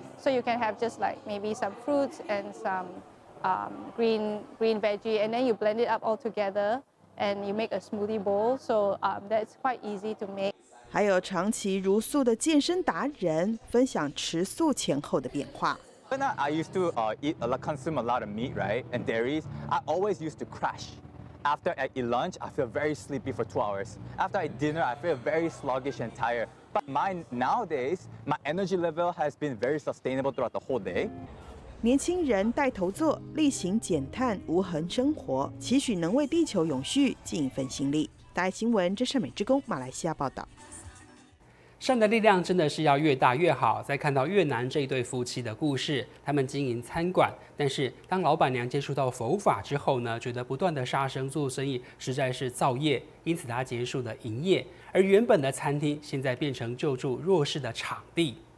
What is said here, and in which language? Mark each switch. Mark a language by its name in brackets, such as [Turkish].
[English] So you can have just like maybe some fruits and some. Green veggie, and then you blend it up all together, and you make a smoothie bowl. So that's quite easy to make. [Chinese] 还有长期如素的健身达人分享持素前后的变化。 [English] When I used to consume a lot of meat, right, and dairies, I always used to crash. After I eat lunch, I feel very sleepy for 2 hours. After I eat dinner, I feel very sluggish and tired. But nowadays, my energy level has been very sustainable throughout the whole day. [Chinese] 年轻人带头做，力行减碳无痕生活，期许能为地球永续尽一份心力。大爱新闻真善美之工马来西亚报道。善的力量真的是要越大越好。在看到越南这一对夫妻的故事，他们经营餐馆，但是当老板娘接触到佛法之后呢，觉得不断的杀生做生意实在是造业，因此他结束了营业，而原本的餐厅现在变成救助弱势的场地。